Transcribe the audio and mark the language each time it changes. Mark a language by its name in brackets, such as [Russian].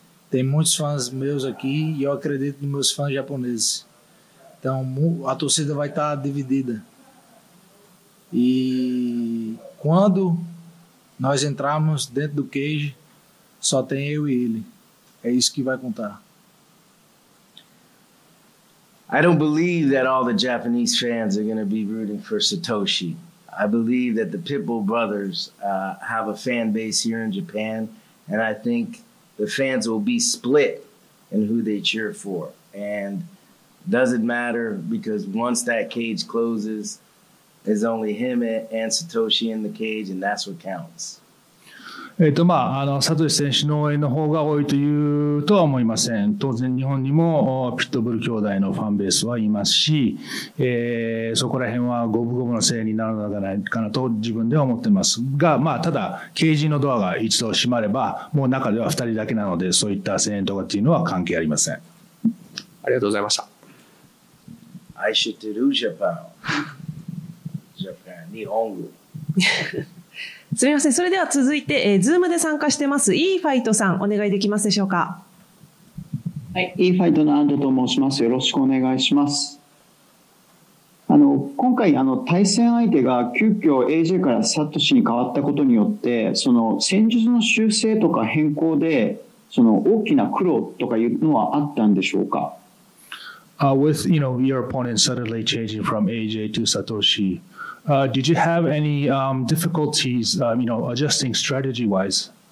[Portuguese] Tem muitos fãs meus aqui e eu acredito nos meus fãs japoneses. Então a torcida vai estar dividida. E quando nós entrarmos dentro do cage, só tem eu e ele. É isso que vai contar. [English] I don't believe that all the Japanese fans are going to be rooting for Satoshi. I believe that the Pitbull brothers have a fan base here in Japan, and I think the fans will be split in who they cheer for. And doesn't matter, because once that cage closes, it's only him and Satoshi in the cage, and that's what counts. [Japanese] まあ、サトシ選手の応援の方が多いというとは思いません。当然日本にもピットブル兄弟のファンベースはいますし、そこら辺は五分五分のせいになるのではないかなと自分では思っていますが、まあ、ただケージのドアが一度閉まればもう中では2人だけなので、そういった声援とかというのは関係ありません。ありがとうございました。 [English] I should do Japan. Japan, 日本語 [Japanese] すみません。それでは続いて、Zoom で参加してますイーファイトさん、お願いできますでしょうか。はい、イーファイトの安藤と申します。よろしくお願いします。今回対戦相手が急遽 AJ からサトシに変わったことによって、その戦術の修正とか変更でその大きな苦労とかいうのはあったんでしょうか。 [English] With your opponent suddenly changing from AJ to Satoshi, did you have any difficulties, adjusting strategy-wise?